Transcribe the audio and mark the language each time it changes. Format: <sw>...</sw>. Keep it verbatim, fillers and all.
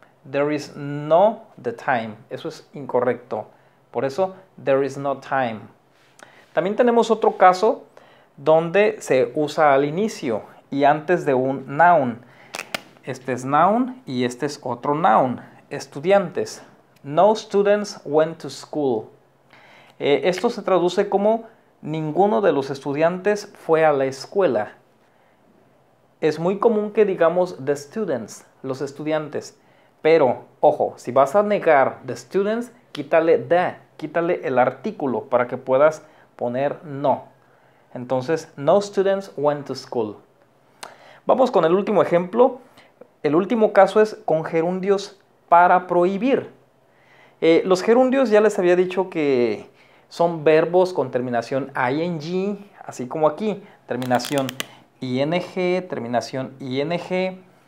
<en>There is no the time,</en> <es>eso es incorrecto. Por eso,</es> <en>there is no time.</en> <es>También tenemos otro caso donde se usa al inicio y antes de un noun. Este es noun y este es otro noun. Estudiantes.</es> <en>No students went to school.</en> <es>Eh, esto se traduce como ninguno de los estudiantes fue a la escuela. Es muy común que digamos</es> <en>the students,</en> <es>los estudiantes. Pero, ojo, si vas a negar</es> <en>the students,</en> <es>quítale the, quítale el artículo para que puedas poner no.</es> <en>Entonces, no students went to school.</en> <es>Vamos con el último ejemplo. El último caso es con gerundios para prohibir. Eh, los gerundios ya les había dicho que son verbos con terminación ing, así como aquí, terminación ing, terminación ing.</es>